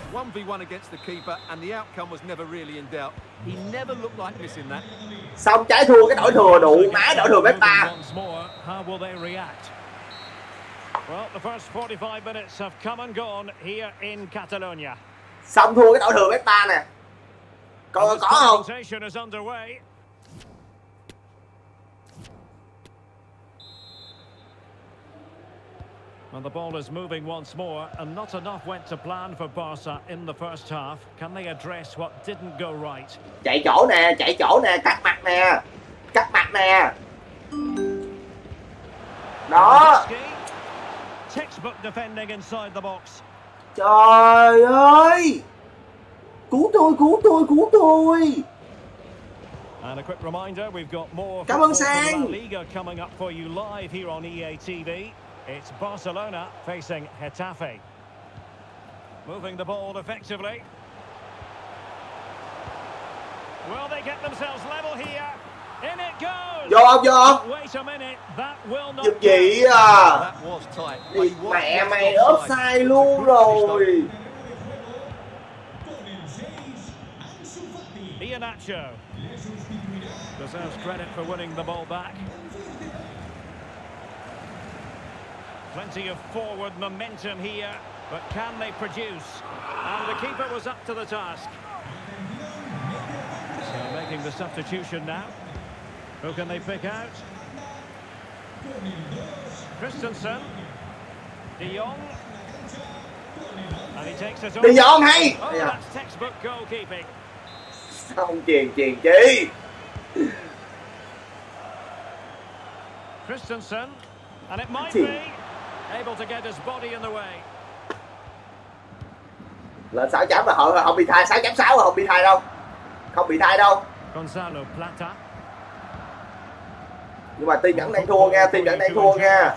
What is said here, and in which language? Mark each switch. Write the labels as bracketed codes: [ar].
[en] 1v1 against the keeper and the outcome was never really in doubt. He never looked like missing that. [vi] Xong trái thua cái đội thừa đủ má đội thừa Messba. [en] How will they react? Well, the first 45 minutes have come and gone here in Catalonia. [vi] Xong thua cái đội thừa Messba nè. Còn có không? [en] Presentation is underway. And the ball is moving once more, and not enough went to plan for Barca in the first half. Can they address what didn't go right? [vi] Chạy chỗ nè, cắt mặt nè, cắt mặt nè. Đó. [en] Textbook defending inside the box. [vi] Trời ơi! Cứu tôi, cứu tôi, cứu tôi! [en] And a quick reminder, we've got more. [vi] Cảm ơn Sang. [en] Liga coming up for you live here on EA TV. It's Barcelona facing Getafe. Moving the ball effectively. Will they get themselves level here? In it goes! [vi] Vô không, vô không? [en] Wait a minute, that will not... [vi] Giúp chị à! Thì mẹ mày ớt sai luôn rồi! [en] Iheanacho deserves credit for winning the ball back. Plenty of forward momentum here, but can they produce? And the keeper was up to the task. So making the substitution now. Who can they pick out? Christensen. De Jong. And he takes it over. De Jong, hey! Oh, that's textbook goalkeeping. [vi] Xong chuyền, chuyền chi? [en] Christensen. And it might be. Able to get his body in the way. [vi] Lên 6 chấm là họ không bị thay, 6.6 là không bị thay đâu. Không bị thay đâu. [en] Gonzalo Plata. [vi] Nhưng mà team vẫn đang thua nha, team vẫn đang thua nha.